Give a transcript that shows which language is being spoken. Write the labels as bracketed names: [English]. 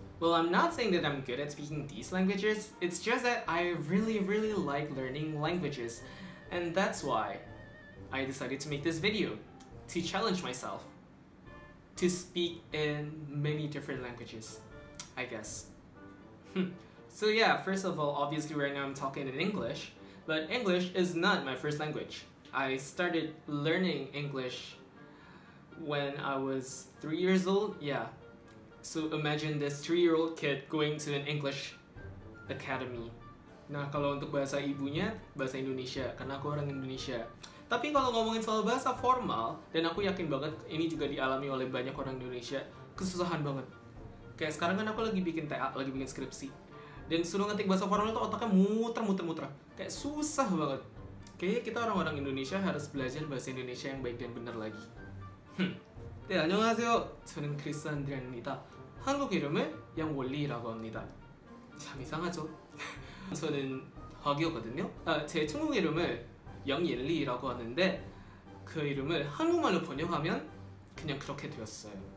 [English] Well, I'm not saying that I'm good at speaking these languages, it's just that I really, really like learning languages, and that's why I decided to make this video, to challenge myself to speak in many different languages, I guess. So yeah, first of all, obviously right now I'm talking in English, but English is not my first language. I started learning English when I was 3 years old, yeah. So imagine this 3-year-old kid going to an English academy. [Indonesian] Nah, kalau untuk bahasa ibunya, bahasa Indonesia, karena aku orang Indonesia. Tapi kalau ngomongin soal bahasa formal, dan aku yakin banget ini juga dialami oleh banyak orang Indonesia, kesusahan banget. Kayak sekarang kan aku lagi bikin TA, lagi bikin skripsi. Dan suruh ngetik bahasa formal itu otaknya muter. Kayak susah banget. Kayaknya kita orang-orang Indonesia harus belajar bahasa Indonesia yang baik dan benar lagi. [Korean] 네, 안녕하세요. 저는 크리스 안드리안입니다. 한국 이름은 양원리라고 합니다. 참 이상하죠? 저는 화교거든요. 아, 제 중국 이름을 양옌리라고 하는데 그 이름을 한국말로 번역하면 그냥 그렇게 되었어요.